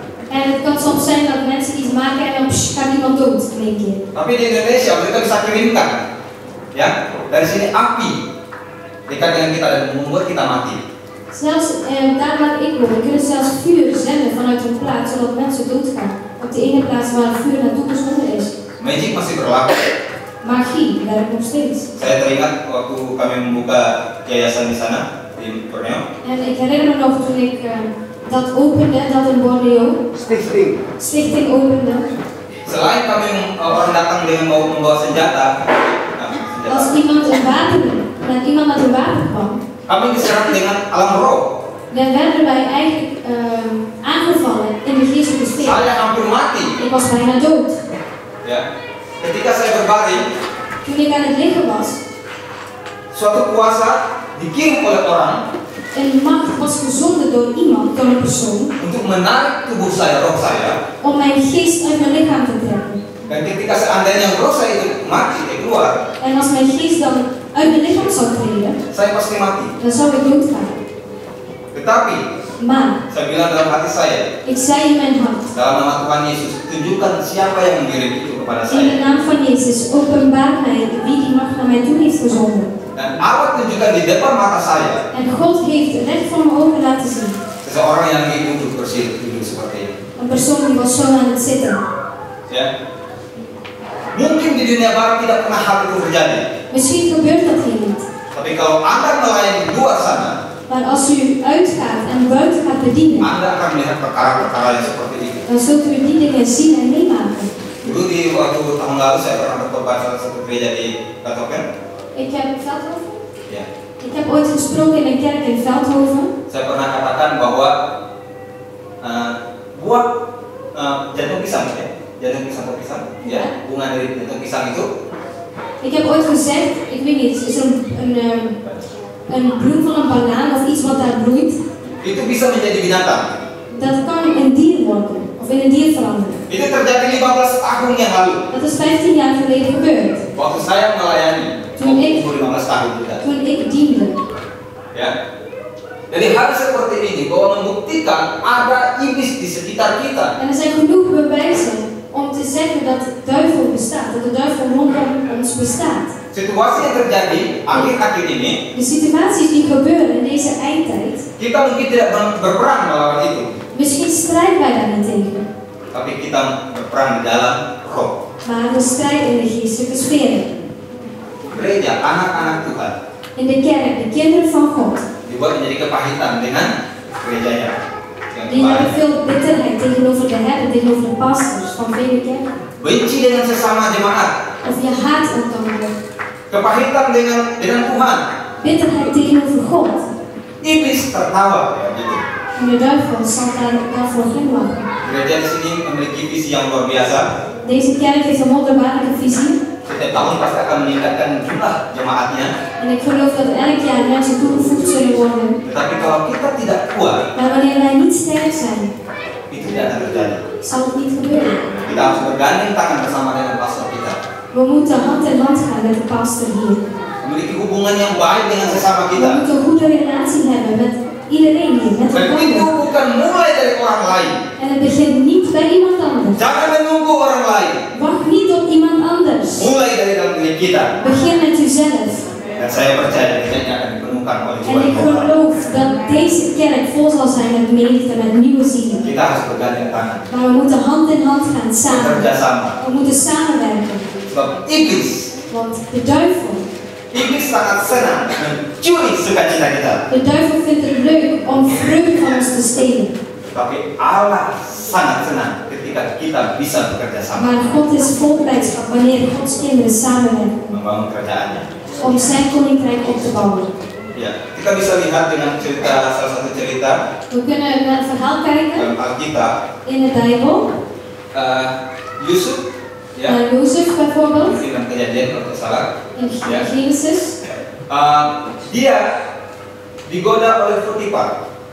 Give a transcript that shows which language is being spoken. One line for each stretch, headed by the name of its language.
Dutch: En het kan soms zijn dat mensen iets maken en dan kan iemand dood in één keer.
Indonesian: Tapi di Indonesia kita bisa kirimkan, ya, dari sini api dekat dengan kita dan membuat kita mati.
Dutch: Zelfs daar waar ik woon, kunnen zelfs vuur zenden vanuit een plaats zodat mensen doodgaan. Op de ene plaats waar het vuur naartoe gezonden is.
Indonesian: Magie masih berlaku.
Dutch: Magie, daar heb ik nog steeds.
Indonesian: Saya teringat waktu kami membuka yayasan di sana.
Dutch: En ik herinner me nog toen ik dat opende, dat in Borneo. Stichting opende.
Indonesian: Selain kami orang datang dengan mau membawa senjata.
Dutch: Als iemand een wapen, dat iemand met een wapen kwam.
Indonesian: Kami diserang dengan alam roh.
Dutch: Dan werden wij eigenlijk aangevallen in de geestelijke sfeer.
Indonesian: Saya hampir mati.
Dutch: Ik was bijna dood.
Indonesian: Ya. Ketika saya berbaring.
Dutch: Toen ik aan het liggen was.
Indonesian: Suatu kuasa dikirim oleh orang.
Dutch: Een macht was gezonden door iemand, door een persoon.
Indonesian: Untuk menarik tubuh saya, roh saya.
Dutch: Om mijn geest uit mijn lichaam te trekken.
Indonesian: Dan ketika seandainya roh saya itu mati, itu keluar.
Dutch: En als mijn geest dan uit mijn lichaam zou treden.
Indonesian: Saya pasti mati.
Dutch: Dan zou ik doodgaan.
Indonesian: Tetapi.
Dutch: Maar.
Indonesian: Saya bilang dalam hati saya.
Dutch: Ik zei in mijn hart.
Indonesian: Dalam nama Tuhan Yesus, tunjukkan siapa yang mengirim itu kepada saya.
Dutch: In de naam van Jezus, openbaar mij wie die macht naar mij toe heeft gezonden.
Indonesian: Dan Allah tunjukkan di depan mata saya.
Dutch: En God heeft recht voor mijn ogen laten zien.
Indonesian: Seseorang yang ingin duduk bersih seperti ini.
Dutch: Een persoon die was zo aan het zitten.
Indonesian: Ya. Mungkin di dunia barat tidak pernah hal itu terjadi.
Dutch: Misschien gebeurt dat hier niet.
Indonesian: Tapi kalau Anda melayani di luar sana.
Dutch: Maar als u uitgaat en buiten gaat bedienen.
Indonesian: Anda akan melihat perkara-perkara yang seperti ini.
Dutch: Dan zult u die dingen zien en meemaken.
Indonesian: Dulu di waktu tahun lalu saya pernah berkhotbah di satu gereja di Katoken.
Dutch: Ik heb Veldhoven. Ik heb ooit gesproken in een kerk in Veldhoven.
Indonesian: Saya pernah katakan bahwa buah jantung pisang, ya, jantung pisang atau pisang, ya, bunga dari jantung pisang itu.
Dutch: Ik heb ooit gezegd, ik weet niet, is een bloem van een banaan of iets wat daar bloeit.
Indonesian: Itu bisa menjadi binatang.
Dutch: Dat kan een dier worden of in een dier veranderen.
Indonesian: Itu terjadi 15 tahun yang lalu.
Dutch: Dat is 15 jaar geleden gebeurd.
Indonesian: Waktu saya melayani.
Dutch: Toen ik diende.
Indonesian: Ya. Jadi hal seperti ini bahwa membuktikan ada iblis di sekitar kita.
Dutch: En er zijn genoeg bewijzen om te zeggen dat duivel bestaat, dat de duivel rondom ons bestaat.
Indonesian: Situasi yang terjadi akhir-akhir ini.
Dutch: De situaties die gebeuren in deze eindtijd.
Indonesian: Kita mungkin tidak berperang melawan itu.
Dutch: Misschien strijden wij daar niet tegen.
Indonesian: Tapi kita berperang dalam roh.
Dutch: Maar we strijden in de geestelijke sfeer.
Indonesian: Gereja, anak-anak Tuhan.
Dutch: In de kerk, de kinderen van God.
Indonesian: Dibuat menjadi kepahitan dengan gerejanya.
Dutch: Die hebben veel bitterheid tegenover de herder, tegenover de pastors van vele kerken.
Indonesian: Benci dengan sesama jemaat.
Dutch: Of je haat elkaar.
Indonesian: Kepahitan dengan Tuhan.
Dutch: Bitterheid tegenover God.
Indonesian: Iblis tertawa, ya, gitu.
Dutch: De duivel zal daarvoor glimlachen.
Indonesian: Gereja di sini memiliki visi yang luar biasa.
Dutch: Deze kerk heeft een wonderbare visie.
Indonesian: Setiap tahun pasti akan meningkatkan jumlah jemaatnya.
Dutch: En ik geloof dat elk jaar mensen toegevoegd zullen worden.
Indonesian: Tetapi kalau kita tidak kuat.
Dutch: Maar wanneer wij niet sterk zijn.
Indonesian: Itu tidak akan terjadi.
Dutch: Zal het niet gebeuren.
Indonesian: Kita harus berganding tangan bersama dengan pastor kita.
Dutch: We moeten hand in hand gaan met de pastor hier.
Indonesian: Memiliki hubungan yang baik dengan sesama kita.
Dutch: We moeten goede relatie hebben met iedereen hier. Met
Indonesian: en itu bukan mulai dari orang lain.
Dutch: En het begint niet bij iemand anders.
Indonesian: Jangan menunggu orang lain.
Dutch: Wacht niet op iemand anders.
Indonesian: Mulai dari dalam diri kita.
Dutch: Begin met jezelf.
Indonesian: Dan saya percaya ini akan dipenuhkan oleh Tuhan.
Dutch: En ik geloof dat deze kerk vol zal zijn met menigte, met nieuwe zielen.
Indonesian: Kita harus berganding tangan.
Dutch: Maar we moeten hand in hand gaan samen.
Indonesian: Bekerjasama.
Dutch: We moeten samenwerken.
Indonesian: Sebab iblis.
Dutch: Want de duivel.
Indonesian: Iblis sangat senang mencuri sukacita kita.
Dutch: De duivel vindt het leuk om vreugde van ons te stelen.
Indonesian: Tapi Allah sangat senang ketika kita bisa bekerja sama.
Dutch: Maar God is vol blijdschap wanneer Gods kinderen samenwerken.
Indonesian: Membangun kerajaannya.
Dutch: Om zijn koninkrijk op te bouwen.
Indonesian: Kita bisa lihat dengan cerita salah satu cerita.
English: We can look at the story.
Indonesian: Alkitab.
English: In the Bible.
Indonesian: Yusuf.
English: Yusuf, for example.
Indonesian: Dalam Kejadian kalau tidak salah.
English: Genesis.
Indonesian: Dia digoda oleh Potifar.